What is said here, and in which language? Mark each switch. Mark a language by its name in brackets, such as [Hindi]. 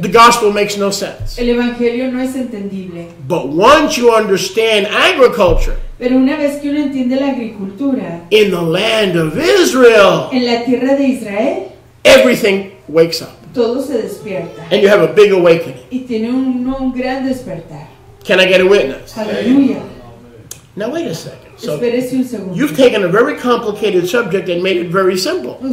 [English] The gospel makes no sense. [Spanish] El evangelio no es entendible. [English] But once you understand agriculture. [Spanish] Pero una vez que uno entiende la agricultura. [English] In the land of Israel. [Spanish] En la tierra de Israel. [English] Everything wakes up. [Spanish] Todo se despierta. [English] And you have a big awakening. [Spanish] Y tiene un gran despertar. [English] Can I get a witness? Hallelujah. Now wait a second. [Spanish] So espérese un segundo. [English] You've taken a very complicated subject and made it very simple.